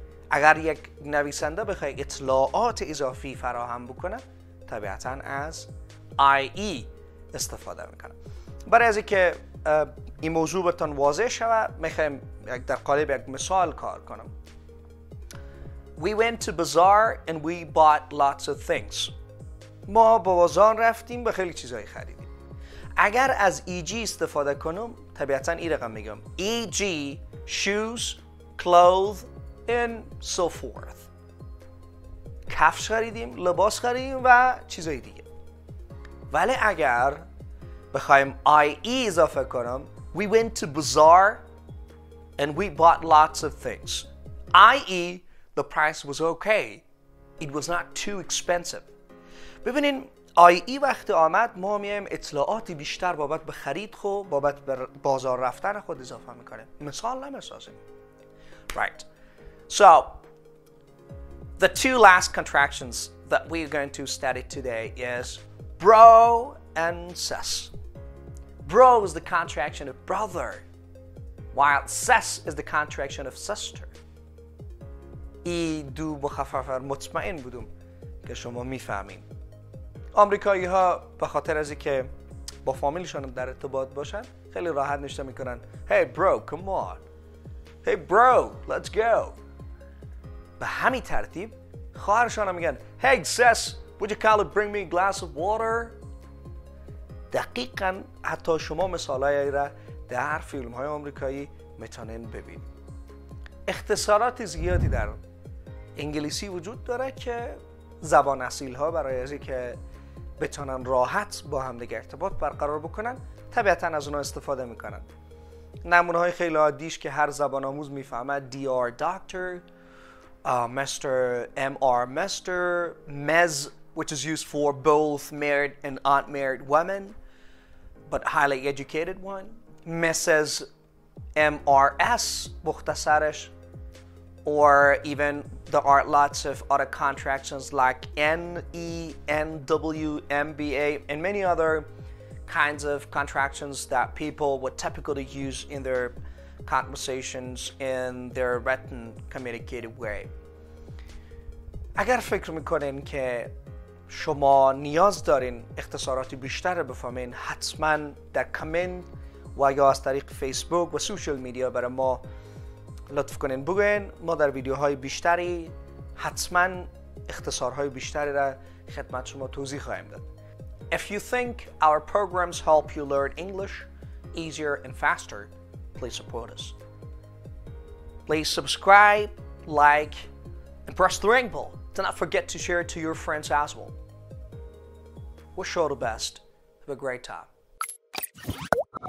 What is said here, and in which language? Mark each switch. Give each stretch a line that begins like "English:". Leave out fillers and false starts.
Persian: اگر یک نویسنده بخواه اطلاعات اضافی فراهم بکنه طبیعتاً از IE استفاده میکنه. برای از اینکه این موضوع بهتون واضح شوه میخوایم در قالب یک مثال کار کنم.
English: We went to bazaar and we bought lots of things.
Persian: ما به بازار رفتیم و خیلی چیزهای خریدیم. اگر از EG استفاده کنم طبیعتاً این رقم میگم
English: EG shoes, clothes and so forth.
Persian: کفش خریدیم، لباس خریدیم و چیزهای دیگه. ولی اگر بخوایم IE اضافه کنم
English: We went to bazaar and we bought lots of things. I.e. the price was okay. It was not too expensive.
Persian: ببینین IE وقتی آمد ما میایم اطلاعاتی بیشتر بابت به خرید خو بابت به بازار رفتن خود اضافه میکنیم. مثال نمیسازیم.
English: Right. So the two last contractions that we are going to study today is bro and sis. Bro is the contraction of brother, while sis is the contraction of sister.
Persian: ای دو مخفف مطمئن بودم که شما میفهمین. آمریکایی ها به خاطر از اینکه با فامیلشان در ارتباط باشن خیلی راحت نشسته میکنن.
English: Hey bro, come on. Hey bro, let's go.
Persian: به همین ترتیب خواهرشان هم میگن
English: Hey sis, Would you kindly bring me a glass of water?
Persian: دقیقاً حتی شما مثالای را در فیلم‌های آمریکایی میتونین ببین. اختصارات زیادی در انگلیسی وجود داره که زبان اصیل‌ها برای از اینکه بتونن راحت با هم دیگه ارتباط برقرار بکنن طبیعتاً از اونها استفاده میکنن. نمونه‌های خیلی عادیش که هر زبان آموز میفهمه DR doctor, Mr.
English: MR Mr. Ms. which is used for both married and unmarried women but highly educated one, Mrs. MRS
Persian: مختصرش,
English: or even there are lots of other contractions like NENW, MBA, and many other kinds of contractions that people would typically use in their conversations in their written communicated way.
Persian: اگر فکر میکنین که شما نیاز دارین اختصاراتی بیشتر بفهمین حتما در کامنت و یا از طریق فیسبوک و سوشل میدیا برای ما لطف کنین بگوین ما در ویدیوهای بیشتری حتما اختصارهای بیشتری را خدمت شما توضیح خواهیم داد.
English: If you think our programs help you learn English easier and faster, please support us. Please subscribe, like, and press the ring bell. Do not forget to share it to your friends as well. Wish you all the best. Have a great time.